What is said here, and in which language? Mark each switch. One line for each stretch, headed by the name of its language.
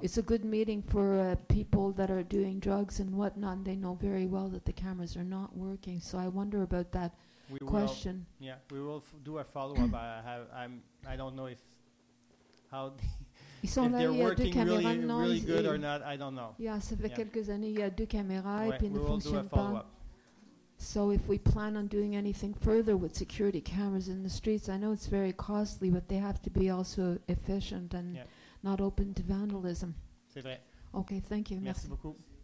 English: It's a good meeting for people that are doing drugs and whatnot, and they know very well that the cameras are not working. So I wonder about that question. Yeah, we will do a follow-up. I don't know if how if they're working really, really good or not. I don't know.
French: Yeah, ça fait quelques années, il y a deux caméras et puis ne fonctionne pas.
English: So if we plan on doing anything further with security cameras in the streets, I know it's very costly, but they have to be also efficient and not open to vandalism.
French: C'est vrai.
English: Okay, thank you.
French: Merci beaucoup.